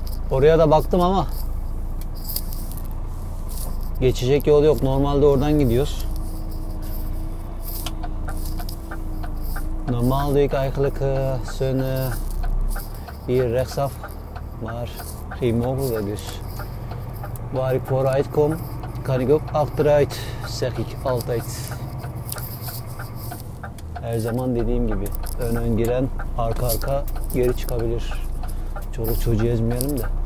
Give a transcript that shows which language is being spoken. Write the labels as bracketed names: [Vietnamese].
[Turkish] Oraya da baktım ama geçecek yol yok. Normalde oradan gidiyoruz. Normalde [Dutch] ik eigenlijk zo'n hier rechtsaf, maar geen mogelijkheid dus. Waar ik vooruit kom, kan ik ook achteruit, zeg ik altijd. [Turkish] Her zaman dediğim gibi, ön ön giren arka arka geri çıkabilir. Çoluk çocuğu ezmeyelim de.